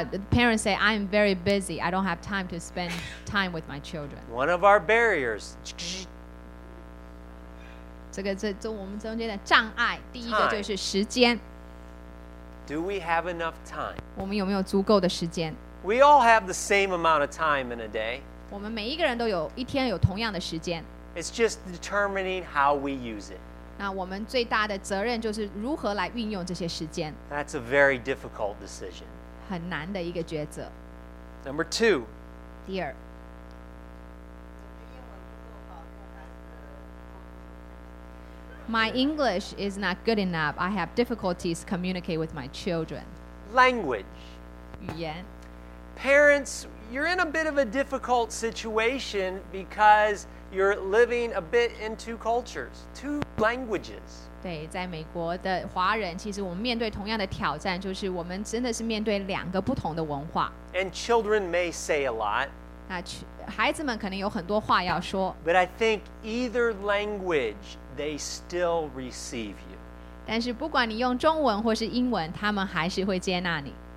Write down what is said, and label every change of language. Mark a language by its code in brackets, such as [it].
[en] Parents say, I am very busy. I don't have time to spend time with my children. One of our barriers. [zh] 这我们中间的障碍，第一个就是时间。 [en] Do we have enough time? [zh] 我们有没有足够的时间？ [en] We all have the same amount of time in a day. [zh] 我们每一个人都有一天有同样的时间。 [en] It's just determining how we use it. [zh] 那我们最大的责任就是如何来运用这些时间。 [en] That's a very difficult decision. [zh] 很难的一个抉择。 [en] Number two. [zh] 第二。 [en] My English is not good enough. I have difficulties communicating with my children. Language. Yes. Parents, you're in a bit of a difficult situation because you're living a bit in two cultures, two languages. [zh] 对，在美国的华人，其实我们面对同样的挑战，就是我们真的是面对两个不同的文化。 [en] And children may say a lot. [zh] 那孩子们可能有很多话要说。 [en] But I think either language, they still receive you. [zh] 但是不管你用中文或是英文，他们还是会接纳你。